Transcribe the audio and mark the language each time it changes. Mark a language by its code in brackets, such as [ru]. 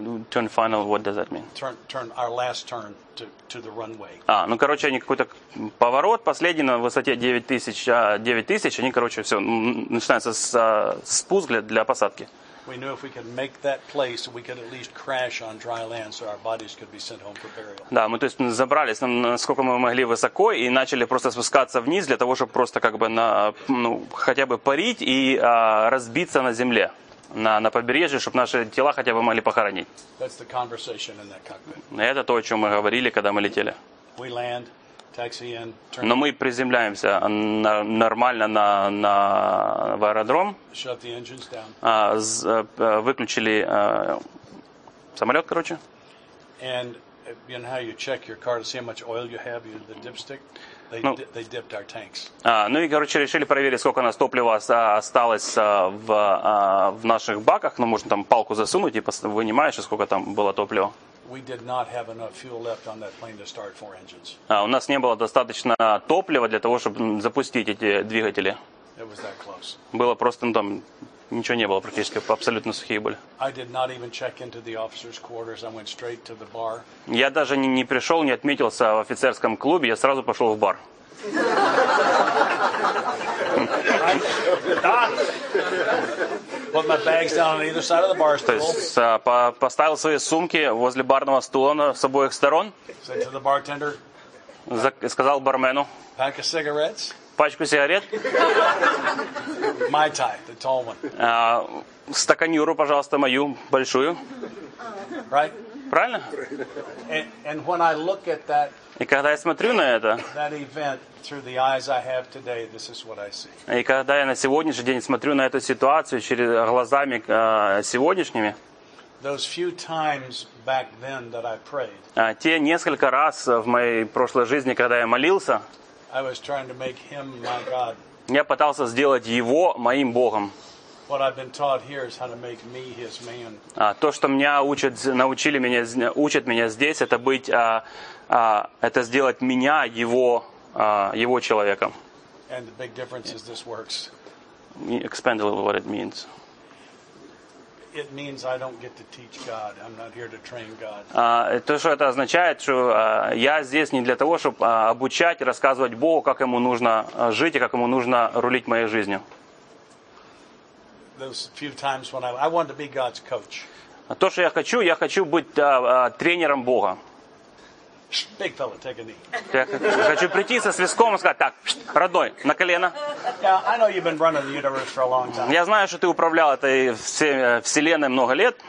[en] Turn final, what does that mean? Turn our last turn to the runway. [ru] Ну, короче, они какой-то поворот последний на высоте 9000, они, короче, все, начинается спуск для посадки. [en] We knew if we could make that place, we could at least crash on dry land, so our bodies could be sent home for burial. [ru] Да, мы то есть забрались на насколько мы могли высоко и начали просто спускаться вниз для того, чтобы просто как бы хотя бы парить и разбиться на земле, на побережье, чтобы наши тела хотя бы могли похоронить. [en] That's the conversation in that cockpit. [ru] Это то, о чем мы говорили, когда мы летели. [en] We land, taxi in. [ru] Но мы приземляемся нормально на в аэродром. [en] Shut the engines down. [ru] Выключили самолет, короче. [en] And you know how you check your car to see how much oil you have, you the dipstick? They dipped our tanks. [ru] Ну и, короче, решили проверить, сколько у нас топлива осталось в наших баках. Ну, можно там палку засунуть и вынимаешь, сколько там было топлива. [en] We did not have enough fuel left on that plane to start four engines. [ru] У нас не было достаточно топлива для того, чтобы запустить эти двигатели. [en] It was that close. [ru] Было просто, ну, там ничего не было, практически абсолютно сухие были. [en] I did not even check into the officers' quarters. I went straight to the bar. [ru] Я даже не пришел, не отметился в офицерском клубе, я сразу пошел в бар. Да. [en] Put my bags down on either side of the bar stool. [ru] То есть поставил свои сумки возле барного стула с обоих сторон. [en] Said to the bartender. [ru] Сказал бармену. [en] Pack of cigarettes. [ru] Пачку сигарет. [en] My tie, the tall one. [ru] Стаканюру, пожалуйста, мою большую. [en] Right. [ru] Правильно? [en] And when I look at that. [ru] И когда я смотрю на это. [en] That event through the eyes I have today, this is what I see. [ru] И когда я на сегодняшний день смотрю на эту ситуацию через глазами сегодняшними. [en] Those few times back then that I prayed. [ru] Те несколько раз в моей прошлой жизни, когда я молился. [en] I was trying to make him my God. [ru] Я пытался сделать его моим Богом. [en] What I've been taught here is how to make me his man. [ru] То, что меня учат, научили меня, учат меня здесь, это быть, это сделать меня его, его человеком. [en] And the big difference is this works. Expand a little what it means. It means I don't get to teach God. I'm not here to train God. [ru] То, что это означает, что я здесь не для того, чтобы обучать, рассказывать Богу, как ему нужно жить и как ему нужно рулить моей жизнью. [en] Those few times when I wanted to be God's coach. [ru] То, что я хочу быть тренером Бога. [en] Big fella, take a knee. [ru] Я хочу прийти со свистком и сказать: так, родной, на колено. [en] Now, I know you've been running the universe for a long time. [ru] Я знаю, что ты управлял этой вселенной много лет.